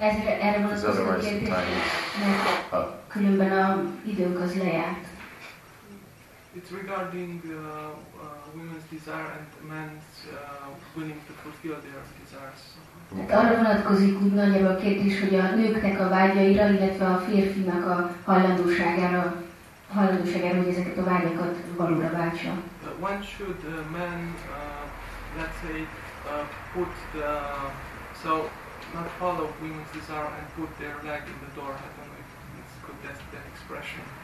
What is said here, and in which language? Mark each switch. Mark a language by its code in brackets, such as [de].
[hu] Erre van az a kérdés, mert különben a időnk az lejárt. [en] It's regarding women's desire and men's willing to fulfill their desires. [hu] Tehát arra vonatkozik úgy nagyjából a kérdés, hogy a nőknek a vágyaira, illetve a férfinak a hajlandóságára, hogy ezeket a vágyakat valóra váltsa. [en] When should a man, let's say, put the... So, not follow women's desire and put their leg in the door, I don't know if it's good, that's the expression.